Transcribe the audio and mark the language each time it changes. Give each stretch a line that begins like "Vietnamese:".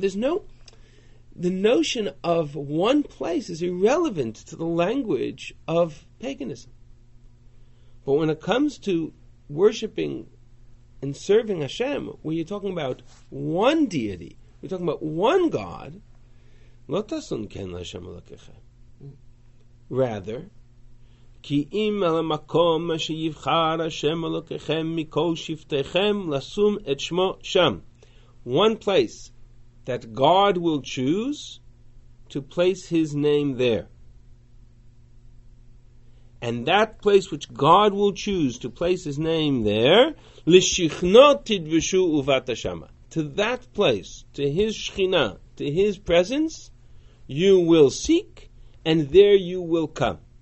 English: The notion of one place is irrelevant to the language of paganism. But when it comes to worshiping and serving Hashem, where you're talking about one deity, we're talking about one God,
Hebrew: lo tasun ken la'Hashem Elokecha.
English: Rather,
Hebrew: כי אם על המקום שיבחר השם אלוקיכם מכל שבטיכם לשום את שמו שם.
English: One place that God will choose to place his name there. And that place which God will choose to place his name there,
Hebrew: לשכנו תדבשו ובאת שמה.
English: To that place, to his שכינה, to his presence, you will seek, and there you will come.